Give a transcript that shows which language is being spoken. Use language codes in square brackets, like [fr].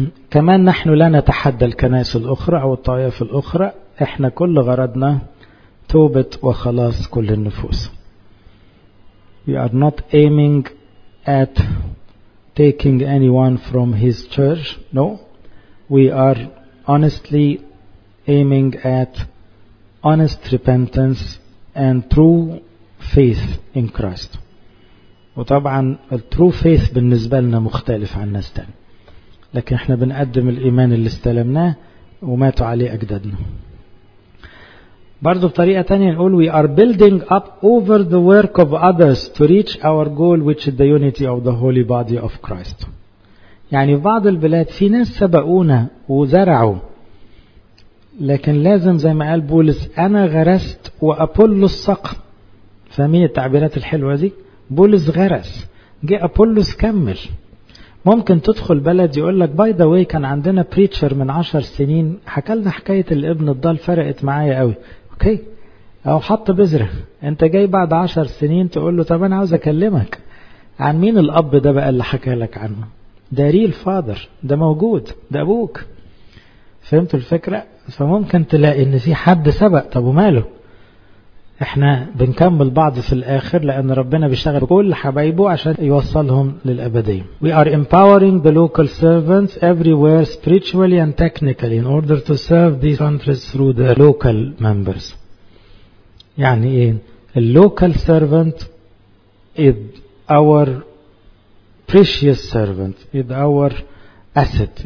[ar] كمان نحن لا نتحدى الكنائس الأخرى أو الطوائف الأخرى، إحنا كل غرضنا توبة وخلاص كل النفوس. [en] We are not aiming at taking anyone from his church. No. We are honestly aiming at honest repentance and true faith in Christ. [ar] وطبعا [en] الترو فيث [ar] بالنسبة لنا مختلف عن ناس تاني، لكن احنا بنقدم الإيمان اللي استلمناه وماتوا عليه أجدادنا. برضو بطريقة تانية نقول [en] we are building up over the work of others to reach our goal which is the unity of the holy body of Christ. [ar] يعني في بعض البلاد في ناس سبقونا وزرعوا، لكن لازم زي ما قال بولس أنا غرست وأبولس سقى. فاهمين التعبيرات الحلوة دي؟ بولس غرس، جاء أبولس كمل. ممكن تدخل بلد يقول لك [en] by the way [ar] كان عندنا بريتشر من 10 سنين حكى لنا حكاية الابن الضال فرقت معايا قوي، اوكي، او حط بذرة. انت جاي بعد 10 سنين تقول له طب انا عاوز اكلمك عن مين الاب ده بقى اللي حكى لك عنه، ده [en] real father, [ar] ده موجود، ده ابوك. فهمت الفكرة؟ فممكن تلاقي ان في حد سبق، طب وماله، احنا بنكمل بعض في الاخر، لان ربنا بيشتغل كل حبايبه عشان يوصلهم للابدية. [en] We are empowering the local servants everywhere spiritually and technically in order to serve these countries through the local members. [ar] يعني ايه؟ [en] The local servant is our precious servant, is our asset.